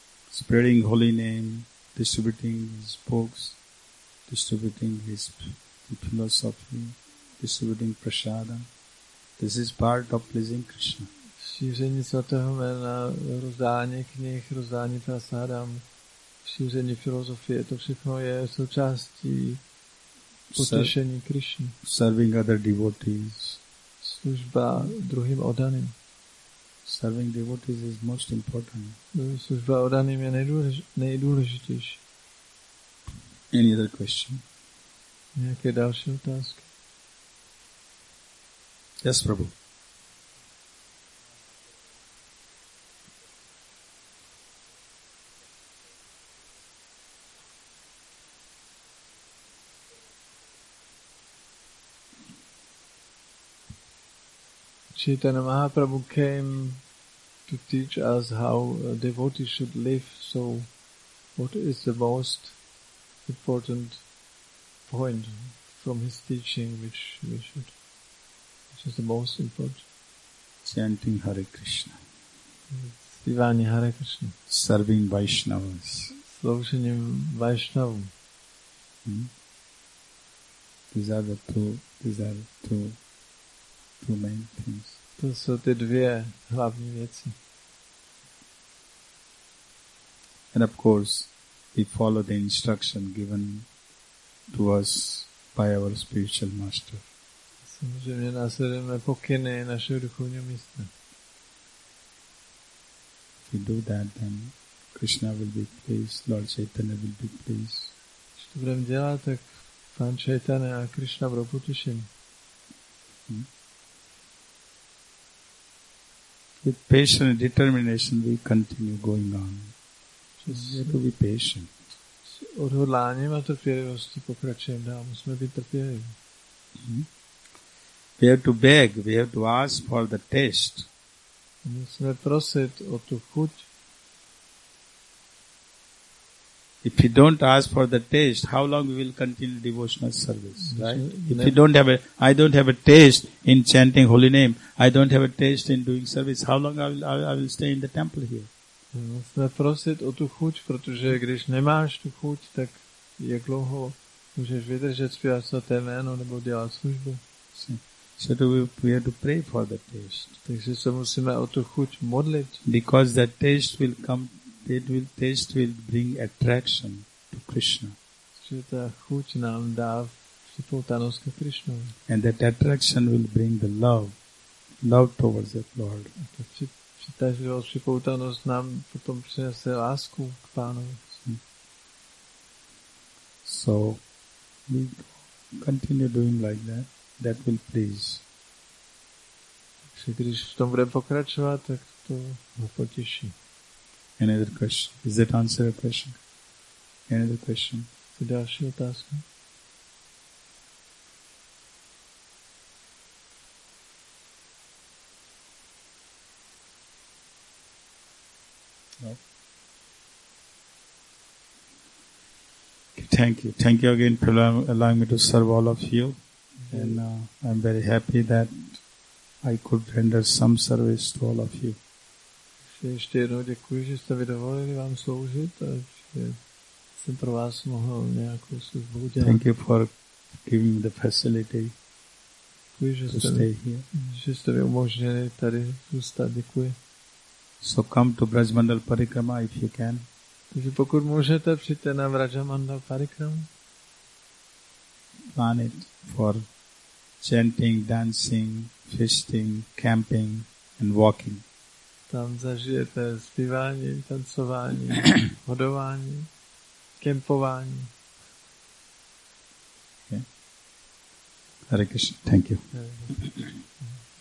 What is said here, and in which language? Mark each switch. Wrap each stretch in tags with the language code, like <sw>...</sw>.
<en>Spreading holy name, distributing his books, distributing his philosophy, distributing prasada. This is part of pleasing Krishna.</en> <cs>Šíření svatého jména, rozdání knih, rozdání prasada, šíření filozofie, to všechno je součástí potěšení Krishna.</cs> <en>Serving other devotees.</en> <cs>Služba druhým oddaným.</cs> <en>Serving devotees is most important.</en> <cs>Služba oddaným je nejdůležitější.</cs> <en>Any other question?</en> <cs>Nějaké další otázky?</cs> <en>Yes, Prabhu. Chaitanya Mahaprabhu came to teach us how a devotee should live. So, what is the most important point from his teaching which we should, which is the most important? Chanting Hare Krishna.</en> <cs>Sivani Hare Krishna.</cs> <en>Serving Vaishnavas.</en> <cs>Slouženim Vaishnavam. Hmm?</cs> <en>These are the two main things.</en> <cs>To jsou ty dvě hlavní věci.</cs> <en>And of course, we follow the instruction given to us by our spiritual master.</en> <cs>Samozřejmě následujeme pokyny našeho duchovního mistra.</cs> <en>If we do that, then Krishna will be pleased, Lord Chaitanya will be pleased.</en> <cs>Když to budeme dělat, tak Pán Chaitanya a Krishna budou potěšeni.</cs> <en>With patient determination, we continue going on. Just have to be patient.</en> <cs>S odhodláním a trpělivostí pokračujeme dál. Musíme být trpělivý.</cs> <en>We have to beg, we have to ask for the taste.</en> <cs>Musíme prosit o tu chuť.</cs> <en>If you don't ask for the taste, how long we will continue devotional service, right? If you don't have a, I don't have a taste in chanting holy name, I don't have a taste in doing service, how long I will stay in the temple here?</en> <cs>Musíme prosit o tu chuť, protože když nemáš tu chuť, tak jak dlouho můžeš vydržet zpívat svaté jméno nebo dělat službu?</cs> <en>So do we have to pray for the taste.</en> <cs>Takže se musíme o tu chuť modlit.</cs> <en>Because that taste will come. Taste will bring attraction to Krishna.</en> <cs>Ta chuť nám dá připoutanost ke Krishna.</cs> <en>And that attraction will bring the love towards the Lord.</en> <cs>Ta připoutanost nám potom přinese lásku k Pánu.</cs> <en>So we continue doing like that. That will please.</en> <cs>Takže když v tom budeme pokračovat, tak to ho potěší.</cs> <en>Any other question? Is that answer a question? Any other question?</en> <cs>Další otázka.</cs> <en>No. Thank you again for allowing me to serve all of you. And I'm very happy that I could render some service to all of you.</en> <cs>Ještě jednou děkuji, že jste mi dovolili vám sloužit a že jsem pro vás mohl nějakou službu udělat.</cs> <en>Thank you for giving the facility.</en> <cs>Děkuji, že jste mi, umožnili tady zůstat. Děkuji.</cs> <en>So come to Brajmandal Parikrama if you can.</en> <cs>Takže pokud můžete, přijďte na Brajmandal Parikrama.</cs> <en>Plan it for chanting, dancing, feasting, camping and walking.</en> <cs>Tam zažijete zpívání, tancování, hodování, kempování.</cs> <en>Okay. Hare Krishna, thank you.</en>